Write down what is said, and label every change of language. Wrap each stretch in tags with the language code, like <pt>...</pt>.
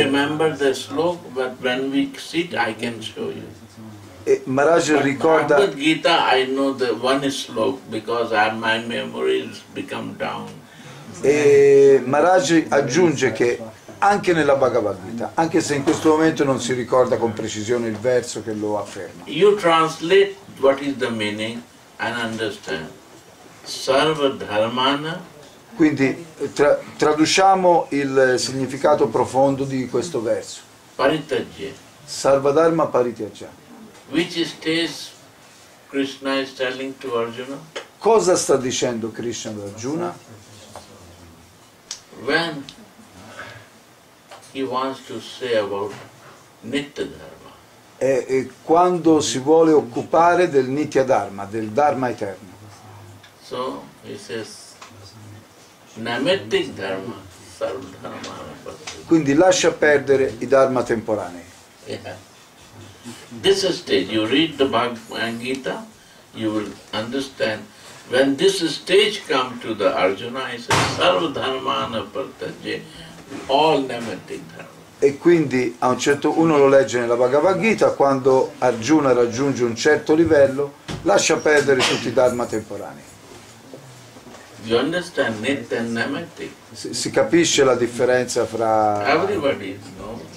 <en>I don't remember the sloka, but when we sit, I can show you.</en> <it>Maharaj ricorda.</it> <en>Bhagavad Gita, I know the one sloka because my memory has become down.</en> <it>E Maharaj aggiunge che anche nella Bhagavad Gita, anche se in questo momento non si ricorda con precisione il verso che lo afferma.</it> <en>You translate what is the meaning and understand.</en> <sa>Sarva dharmana.</sa> <it>Quindi traduciamo il significato profondo di questo verso.</it> <sa>Paritajya. Sarva dharma paritajya.</sa> <en>Which stays Krishna is telling to Arjuna?</en> <it>Cosa sta dicendo Krishna ad Arjuna?</it> <en>When he wants to say about nitya dharma.</en> <it>E quando si vuole occupare del nitya dharma, del dharma eterno.</it> <en>So he says namittic dharma, sarva dharma.</en> <it>Quindi lascia perdere i dharma temporanei.</it> <en>Yeah. This stage, you read the Bhagavad Gita, you will understand. When this stage comes to the Arjuna, he says</en> <sa>sarva dharma anapartaje,</sa> <en>all namittic dharma.</en> <it>E quindi a un certo uno lo legge nella Bhagavad Gita, quando Arjuna raggiunge un certo livello, lascia perdere tutti i dharma temporanei.</it> <en>You understand nitya and namittic?</en> <it>Si capisce la differenza fra</it> <en>everybody, no?</en>